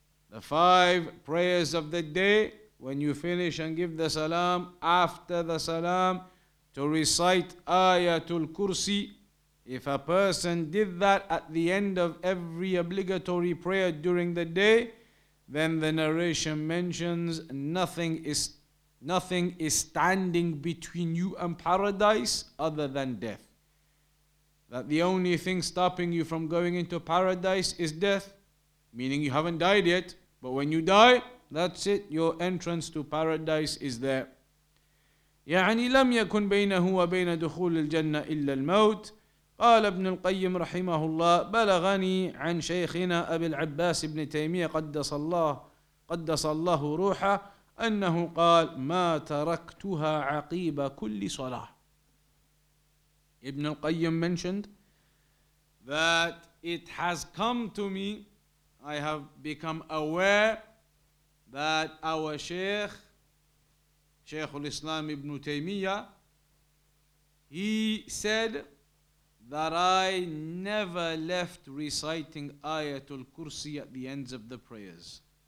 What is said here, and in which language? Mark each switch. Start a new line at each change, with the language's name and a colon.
English: the five prayers of the day, when you finish and give the salam, after the salam, to recite Ayatul Kursi, if a person did that at the end of every obligatory prayer during the day, then the narration mentions nothing is standing between you and paradise other than death. That the only thing stopping you from going into paradise is death, meaning you haven't died yet, but when you die, that's it, your entrance to paradise is there.
Arabic: يعني لم يكن بينه وبين دخول الجنة إلا الموت. قال ابن القيم رحمه الله بلغني عن شيخنا أبي العباس بن تيمية قدس الله روحه أنه قال ما تركتها عقيب كل صلاة.
English: Ibn al-Qayyim mentioned that it has come to me, I have become aware that our Shaykh al-Islam ibn Taymiyyah, he said that I never left reciting Ayatul Kursi at the ends of the prayers.